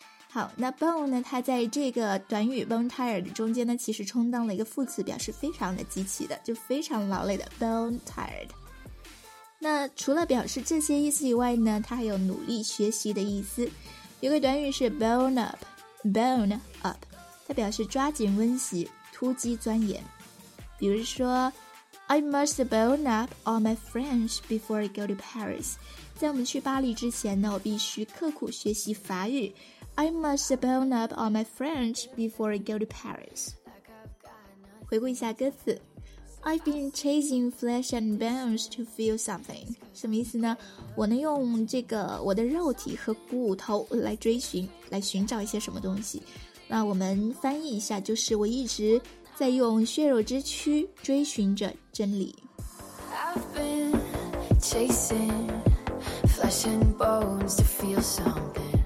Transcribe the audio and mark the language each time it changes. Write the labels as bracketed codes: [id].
[zh] 好，那 bone 呢，它在这个短语 bone tired 中间呢其实充当了一个副词，表示非常的极其的，就非常劳累的 bone tired。那除了表示这些意思以外呢，它还有努力学习的意思。有个短语是 [en] bone up, bone up, [zh] 它表示抓紧温习，突击钻研。比如说 [en] I must bone up all my French before I go to Paris, [zh] 在我们去巴黎之前呢，我必须刻苦学习法语。 [en] I must bone up all my French before I go to Paris. [zh] 回顾一下歌词， [en] I've been chasing flesh and bones to feel something. [zh] 什么意思呢？我能用这个我的肉体和骨头来追寻，来寻找一些什么东西。那我们翻译一下，就是我一直在用血肉之躯追寻着真理。 [en] I've been chasing flesh and bones to feel something.